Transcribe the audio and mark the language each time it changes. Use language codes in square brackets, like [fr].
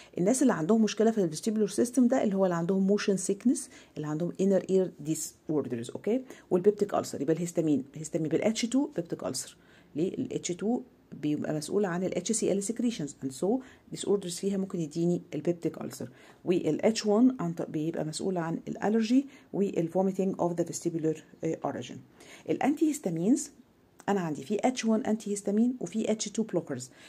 [ar] الناس اللي عندهم مشكله في [en] الفيستيبولر سيستم ده اللي هو اللي عندهم موشن سيكنس, اللي عندهم inner ear disorders, okay, والبيبتيك السر. يبقى الهيستامين بالاتش 2 بيبتيك السر. ليه الاتش 2 بيبقى مسؤول عن ال HCL secretions and so disorders فيها ممكن يديني البيبتيك ulcer. وال H1 بيبقى مسؤول عن الالرجي وال vomiting of the vestibular origin. الانتيهستامينز [ar] أنا عندي في [en] H1 antihistamine وفي H2 blockers.